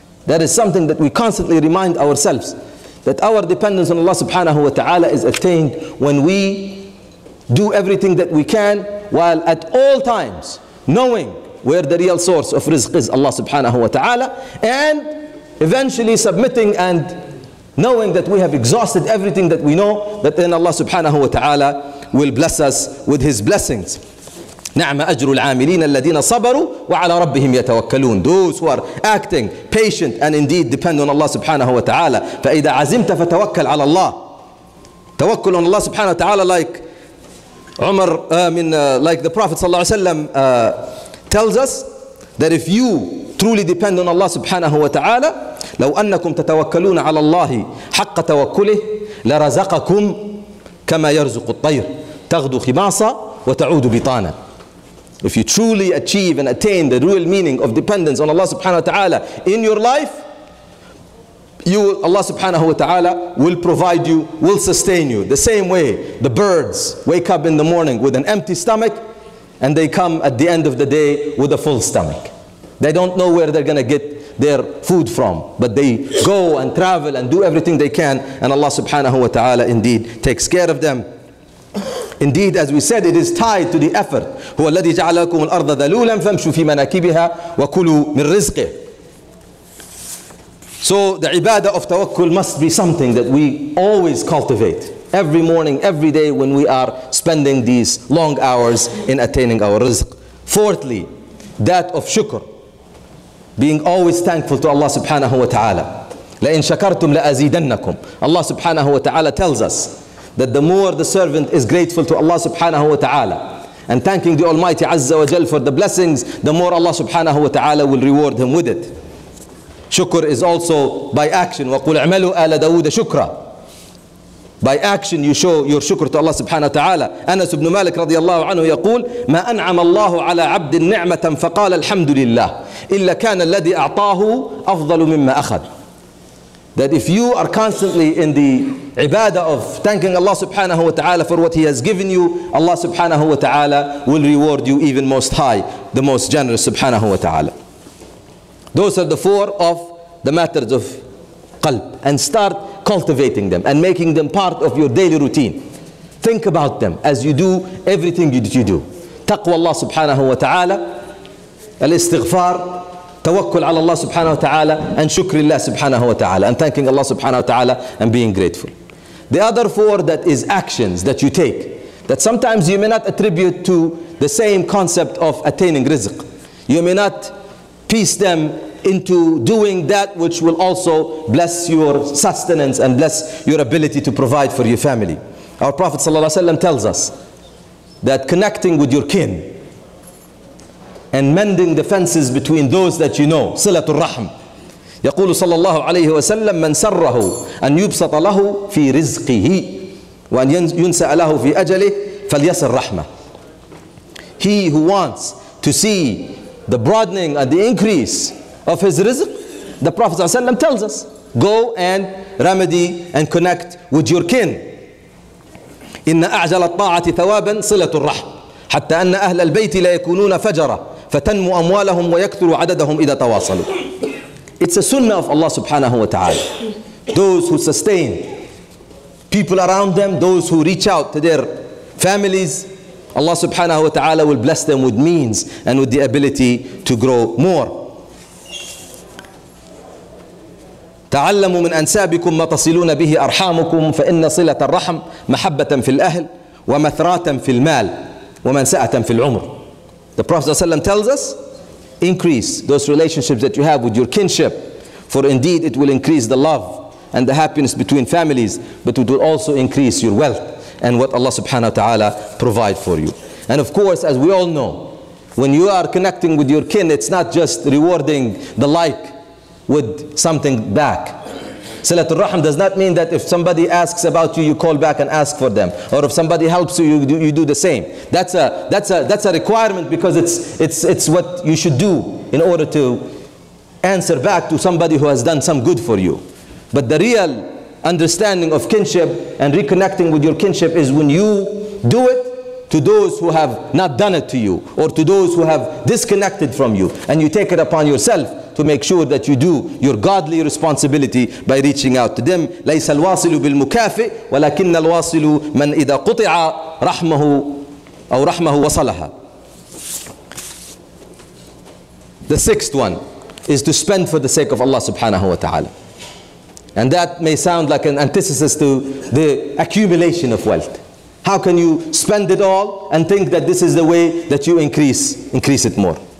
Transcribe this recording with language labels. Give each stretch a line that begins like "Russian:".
English: That is something that we constantly remind ourselves, that our dependence on Allah subhanahu wa ta'ala is attained when we do everything that we can, while at all times knowing where the real source of rizq is, Allah subhanahu wa ta'ala, and eventually submitting and knowing that we have exhausted everything that we know, that then Allah subhanahu wa ta'ala will bless us with His blessings.
Arabic: نعم أجر العاملين الذين صبروا وعلى ربهم يتوكلون.
English: Those who are acting patient and indeed depend on Allah subhanahu wa ta'ala.
Arabic: فإذا عزمت فتوكل على الله.
English: توكل on Allah subhanahu wa ta'ala, like Umar, like the Prophet sallallahu alayhi wa sallam tells us, that if you truly depend on Allah subhanahu wa ta'ala,
Arabic: لو أنكم تتوكلون على الله حق توكله لرزقكم كما يرزق الطير تغدو خماصة وتعود بطانة.
English: If you truly achieve and attain the real meaning of dependence on Allah subhanahu wa ta'ala in your life, Allah subhanahu wa ta'ala will provide you, will sustain you. The same way the birds wake up in the morning with an empty stomach and they come at the end of the day with a full stomach. They don't know where they're going to get their food from, but they go and travel and do everything they can, and Allah subhanahu wa ta'ala indeed takes care of them. Indeed, as we said, it is tied to the effort.
Arabic: هو الذي جعل لكم الأرض ذلولا فامشوا في مناكبها وكلوا من رزقه.
English: So the ibadah of tawakkul must be something that we always cultivate every morning, every day, when we are spending these long hours in attaining our rizq. Fourthly, that of shukr. Being always thankful to Allah subhanahu wa ta'ala.
Arabic: لَإِن شَكَرْتُمْ لَأَزِيدَنَّكُمْ.
English: Allah subhanahu wa ta'ala tells us that the more the servant is grateful to Allah subhanahu wa ta'ala and thanking the Almighty Azza wa Jal for the blessings, the more Allah subhanahu wa ta'ala will reward him with it. Shukr is also by action.
Arabic: وَقُلْ عَمَلُوا آلَ دَوُودَ شُكْرًا.
English: By action you show your shukr to Allah subhanahu wa ta'ala.
Arabic: Anas ibn Malik radiallahu anhu yaqul, مَا أَنْعَمَ اللَّهُ عَلَىٰ عَبْدٍ نِعْمَةً فَقَالَ الْحَمْدُ لِلَّهِ إلا كان الذي أعطاه أفضل مما أخذ.
English: That if you are constantly in the ibadah of thanking Allah subhanahu wa ta'ala for what He has given you, Allah subhanahu wa ta'ala will reward you even most high, the most generous subhanahu wa ta'ala. Those are the four of the matters of qalb, and start cultivating them and making them part of your daily routine. Think about them as you do everything that you do. Taqwa Allah subhanahu wa ta'ala, الاستغفار,
Arabic: توكل على الله سبحانه وتعالى,
English: and
Arabic: شكر الله سبحانه وتعالى,
English: and thanking Allah سبحانه وتعالى, and being grateful. The other four, that is actions that you take, that sometimes you may not attribute to the same concept of attaining rizq. You may not piece them into doing that which will also bless your sustenance and bless your ability to provide for your family. Our Prophet صلى الله عليه وسلم tells us that connecting with your kin and mending the fences between those that you know, silatul rahm.
Arabic: يقول صلى الله عليه وسلم من سره أن يبسط له في رزقه وأن ينسأ له في أجله فليصل رحمه.
English: He who wants to see the broadening and the increase of his rizq, the Prophet صلى الله عليه وسلم tells us, go and remedy and connect with your kin.
Arabic: إن أعجل الطاعة ثوابا صلة الرحم. حتى أن أهل البيت لا يكونون فجرة فتنمو أموالهم ويكثر عددهم إذا تواصلوا.
English: It's a sunnah of Allah subhanahu wa ta'ala. Those who sustain people around them, those who reach out to their families, Allah subhanahu wa ta'ala will bless them with means and with the ability to grow more.
Arabic: تعلموا من أنسابكم ما تصلون به أرحامكم فإن صلة الرحم محبة في الأهل ومثراة في المال ومنساءة في العمر.
English: The Prophet ﷺ tells us, increase those relationships that you have with your kinship, for indeed it will increase the love and the happiness between families, but it will also increase your wealth and what Allah subhanahu wa ta'ala provide for you. And of course, as we all know, when you are connecting with your kin, it's not just rewarding the like with something back. Salatul Rahim does not mean that if somebody asks about you, you call back and ask for them. Or if somebody helps you, you do the same. That's a requirement, because it's what you should do in order to answer back to somebody who has done some good for you. But the real understanding of kinship and reconnecting with your kinship is when you do it to those who have not done it to you, or to those who have disconnected from you, and you take it upon yourself to make sure that you do your godly responsibility by reaching out to them.
Arabic: ليس الواصل بالمكافئ ولكن الواصل من إذا قطع رحمه أو رحمه وصلها.
English: The sixth one is to spend for the sake of Allah subhanahu wa ta'ala. And that may sound like an antithesis to the accumulation of wealth. How can you spend it all and think that this is the way that you increase it more?